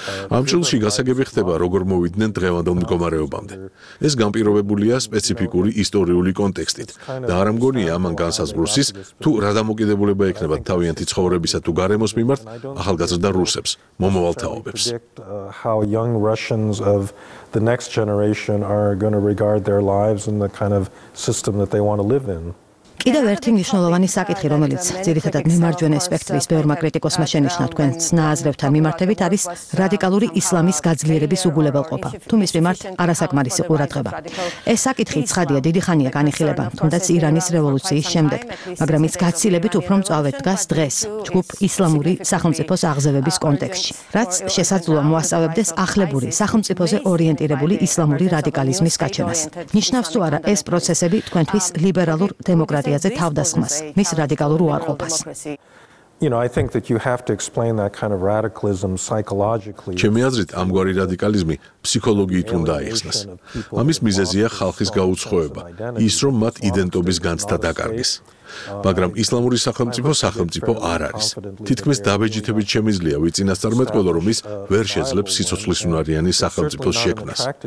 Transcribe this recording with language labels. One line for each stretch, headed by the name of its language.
Georgian: ამ წელს გასაგები ხდება, როგორ მოვიდნენ დღევანდელ მდგომარეობამდე. ეს გამპირობებულია სპეციფიკური ისტორიული კონტექსტით და არ ამგონია ამან განსაზღვროს ის, თუ რა დამოკიდებულება ექნება თავიანთი ცხოვრებისა თუ გარემოს მიმართ ახალგაზრდა რუსებს, მომავალთაობებს.
English: How young Russians of the next generation are going to regard their lives and the kind of system that they want to live in.
Georgian: კიდევ ერთი მნიშვნელოვანი საკითხი, რომელიც ძირითადად მემარჯვენე სპექტრის ბევრმა კრიტიკოსმა შენიშნა თქვენს ნააზრევთან მიმართებით, არის რადიკალური ისლამის გაძლიერების უგულებელყოფა. თუ მის მიმართ არასაკმარისი ყურადღება. ეს საკითხი ცხადია დიდი ხანია განიხილება, თუნდაც ირანის რევოლუციის შემდეგ, მაგრამ ის გაცილებით უფრო მწვავედ დგას დღეს, ჯგუფ ისლამური სახელმწიფოს აღზევების კონტექსტში, რაც შესაძლოა მოასწავებდეს ახლებური სახელმწიფოზე ორიენტირებული ისლამური რადიკალიზმის გაჩენას. ნიშნავს თუ არა ეს პროცესები თქვენთვის ლიბერალურ დემოკრატიაზე თავდასხმას, მის რადიკალურ უარყოფას?
English: You know, I think that you have to explain that kind of radicalism psychologically.
Georgian: ჩემი აზრით, ამგვარი რადიკალიზმი ფსიქოლოგიით უნდა აიხსნას. ამის მიზეზია ხალხის გაუცხოება, ის რომ მათ იდენტობის განცდა დაკარგეს. მაგრამ ისლამური სახელმწიფო სახელმწიფო არ არის. თითქმის დაბეჯითებით შემიძლია ვიწინასწარმეტყველო, რომ ის ვერ შეძლებს სიცოცხლისუნარიანი სახელმწიფოს შექმნას.